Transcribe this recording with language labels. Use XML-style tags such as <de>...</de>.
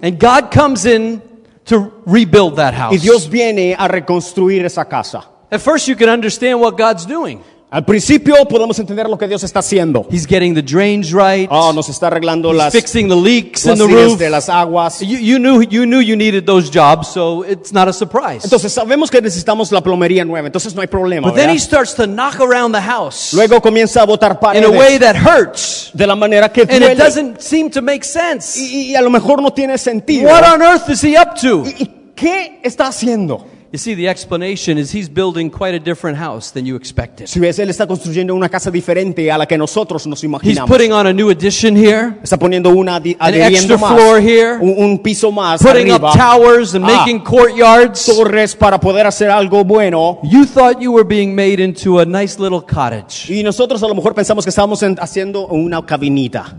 <en>And God comes in to rebuild that house.</en> <es>Y Dios viene a reconstruir esa casa.</es> <en>At first you can understand what God's doing.</en> <es>Al principio podemos entender lo que Dios está haciendo.</es> <en>He's getting the drains right.</en> <es>Oh, nos está arreglando</es> <en>He's</en> <es>las</es> <en>fixing the leaks in the roof.</en> <es>De las aguas.</es> <en>You knew you needed those jobs, so it's not a surprise.</en> <es>Entonces sabemos que necesitamos la plomería nueva, entonces no hay problema.</es> <en>But</en> <es>¿verdad?</es> <en>Then he starts to knock around the house.</en> <es>Luego comienza a botar paredes.</es> <en>In a way that hurts.</en> <es>De la manera que duele.</es> <en>And it doesn't seem to make sense.</en> <es>Y a lo mejor no tiene sentido.</es> <en>What on earth is he up to?</en> <es>¿Y qué está haciendo?</es> <en>You see, the explanation is he's building quite a different house than you expected.</en> <es>Si ves, él está construyendo una casa diferente a la que nosotros nos imaginamos.</es> <en>He's putting on a new addition here.</en> <es>Está poniendo una</es> <en>extra floor here.</en> <es>Un piso más</es> <en>putting</en> <es>arriba.</es> <en>Up towers and making courtyards.</en> <es>Torres para poder hacer algo bueno.</es> <en>You thought you were being made into a nice little cottage.</en> <es>Y nosotros a lo mejor pensamos que estábamos haciendo una cabinita.</es>